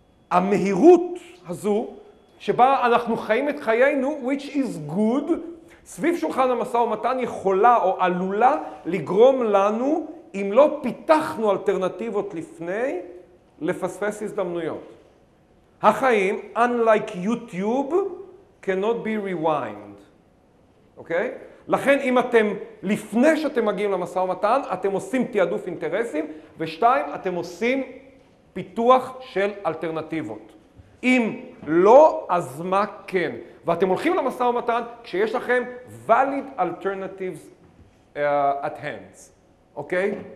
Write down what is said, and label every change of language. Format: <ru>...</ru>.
<he>המהירות הזו שבה אנחנו חיים את חיינו,</he> <en>which is good,</en> <he>סביב שולחן המסע ומתן יכולה או עלולה לגרום לנו, אם לא פיתחנו אלטרנטיבות לפני, לפספס הזדמנויות. החיים,</he> <en>unlike YouTube, cannot be rewind.</en> <he>אוקיי? לכן אם אתם, לפני שאתם מגיעים למסע ומתן, אתם עושים תיעדוף אינטרסים, ושתיים, אתם עושים פיתוח של אלטרנטיבות. אם לא, אז מה כן? ואתם הולכים למסע ומתן כשיש לכם</he> <en>valid alternatives at hands.</en> <he>אוקיי?</he>